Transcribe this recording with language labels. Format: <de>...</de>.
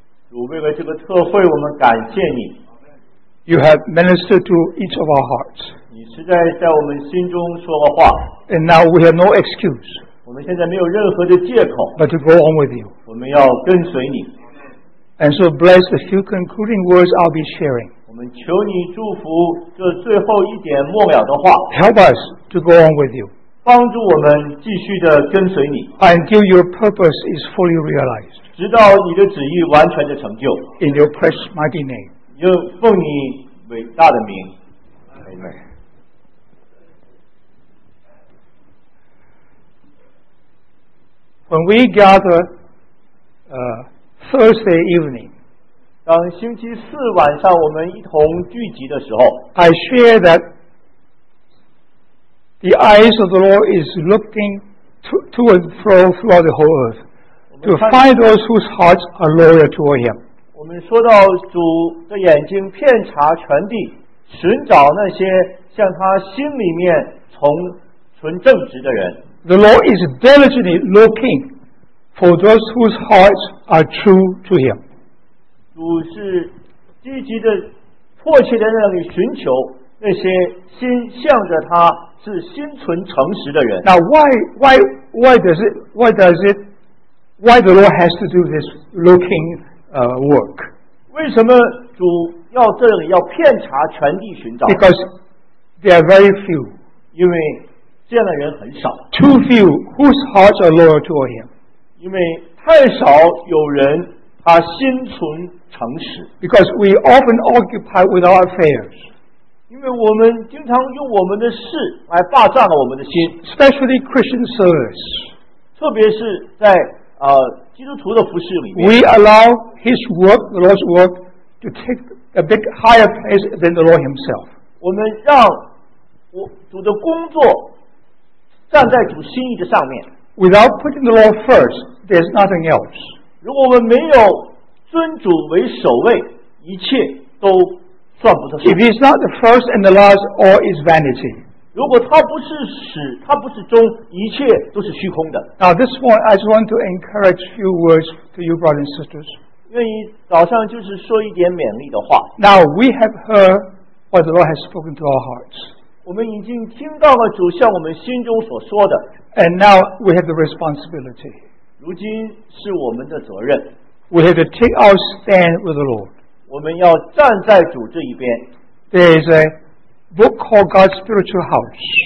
<zh>主，为了这个特会，我们感谢你。</zh> <en>You have ministered to each of our hearts.</en> <zh>你实在在我们心中说了话。</zh> <en>And now we have no excuse.</en> <zh>我们现在没有任何的借口。</zh> <en>But to go on with you.</en> <zh>我们要跟随你。</zh> <en>And so bless the few concluding words I'll be sharing.</en> <zh>我们求你祝福这最后一点末了的话。</zh> <en>Help us to go on with you.</en> <zh>帮助我们继续的跟随你。</zh> <en>Until your purpose is fully realized.</en> <zh>直到你的旨意完全的成就。</zh> <en>In your precious mighty name.</en> <zh>就奉你伟大的名。</zh> <en>Amen. When we gather, Thursday evening,</en> <zh>当星期四晚上我们一同聚集的时候</zh> <en>I share that the eyes of the Lord is looking to and fro throughout the whole earth to find those whose hearts are loyal toward Him.</en> <zh>我们说到主的眼睛遍察全地，寻找那些向他心里面从纯正直的人。</zh> <en>The Lord is diligently looking. For those whose hearts are true to Him.</en> <zh>主是积极的迫切的在那里寻求那些心向着他是心存诚实的人。</zh> <en>Now why the Lord has to do this looking work?</en> <zh>为什么主要这里要遍察全地寻找</zh> <en>Because there are very few.</en> <zh>因为这样的人很少。</zh> <en>Too few whose hearts are loyal toward Him.</en> <zh>因为太少有人他心存诚实</zh> <en>Because we often occupy with our affairs</en> <zh>因为我们经常用我们的事来霸占了我们的心</zh> <en>Especially Christian service</en> <zh>特别是在基督徒的服事里面</zh> <en>We allow His work, the Lord's work to take a big higher place than the Lord Himself</en> <zh>我们让主的工作站在主心意的上面</zh> <en>Without putting the Lord first, there's nothing else.</en> <zh>如果我们没有尊主为首位，一切都算不得上。</zh> <en>If he's not the first and the last, all is vanity.</en> <zh>如果他不是始，他不是终，一切都是虚空的。</zh> <en>Now this morning, I just want to encourage a few words to you, brothers and sisters.</en> <zh>愿意早上就是说一点勉励的话。</zh> <en>Now we have heard what the Lord has spoken to our hearts.</en> <zh>我们已经听到了主向我们心中所说的。</zh> <en>And now we have the responsibility.</en> <zh>如今是我们的责任。</zh> <en>We have to take our stand with the Lord.</en> <zh>我们要站在主这一边。</zh> <en>There is a book called God's Spiritual House.</en>